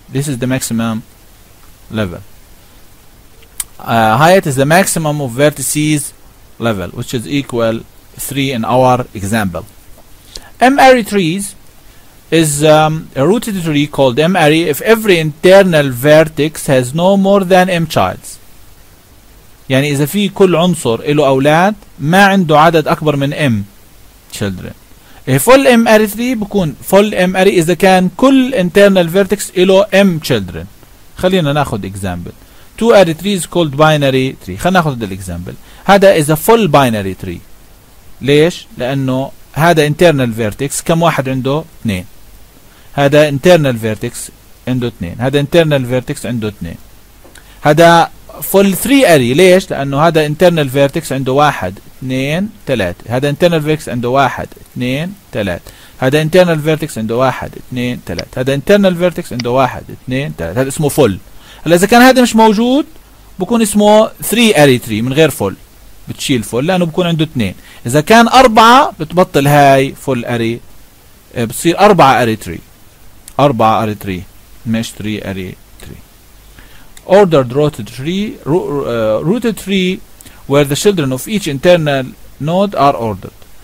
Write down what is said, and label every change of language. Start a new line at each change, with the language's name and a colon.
English: This is the maximum level. Height is the maximum of vertices level, which is equal 3 in our example. M-ary trees is a rooted tree called M-ary if every internal vertex has no more than M childs.
Arabic: يعني إذا في كل عنصر إلو أولاد ما عنده عدد أكبر من
English: M children. A full M-ary tree
Arabic: بكون
English: full M-ary
Arabic: إذا كان كل
English: internal vertex
Arabic: إلو
English: M children.
Arabic: خلينا ناخد example.
English: Two array trees called binary tree.
Arabic: خلنا ناخد example.
English: هذا is a full binary tree.
Arabic: ليش؟ لأنه هذا
English: internal vertex
Arabic: كم واحد عنده؟ 2. هذا
English: internal vertex
Arabic: عنده 2. هذا internal vertex عنده 2.
English: هذا full 3 array.
Arabic: ليش؟ لأنه هذا
English: internal vertex
Arabic: عنده 1, 2, 3. هذا
English: internal vertex
Arabic: عنده 1, 2, 3. هذا
English: internal vertex
Arabic: عنده 1, 2, 3. هذا internal vertex عنده 1, 2, 3. هذا اسمه full. هلا إذا كان هذا مش موجود بكون اسمه 3 اري 3 من غير فول، بتشيل فول لانه بكون عنده 2. اذا كان 4 بتبطل هاي فول اري، بتصير 4 اري 3، 4 اري 3 مش 3 اري 3.
English: ordered rooted tree rooted tree where the children of each internal node are ordered.